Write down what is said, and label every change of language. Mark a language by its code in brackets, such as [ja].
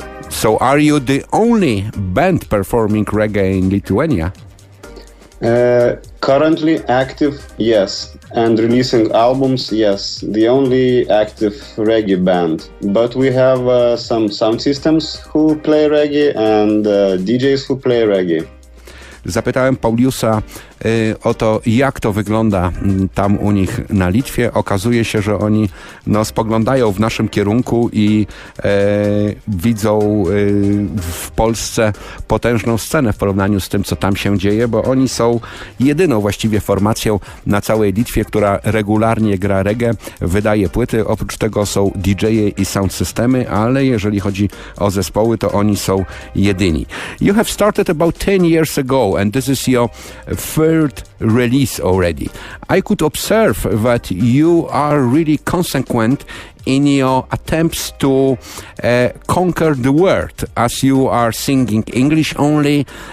[en] So are you the only band performing reggae in Lithuania? Currently active, yes, and releasing albums, yes, the only active reggae band. But we have some sound systems who play reggae and DJs who play reggae. [pl] Zapytałem Pauliusa o to, jak to wygląda tam u nich na Litwie. Okazuje się, że oni spoglądają w naszym kierunku i widzą w Polsce potężną scenę w porównaniu z tym, co tam się dzieje, bo oni są jedyną właściwie formacją na całej Litwie, która regularnie gra reggae, wydaje płyty. Oprócz tego są DJ-e i sound systemy, ale jeżeli chodzi o zespoły, to oni są jedyni. [en] You have started about 10 years ago and this is your third release already. I could observe that you are really consequent in your attempts to conquer the world as you are singing English only.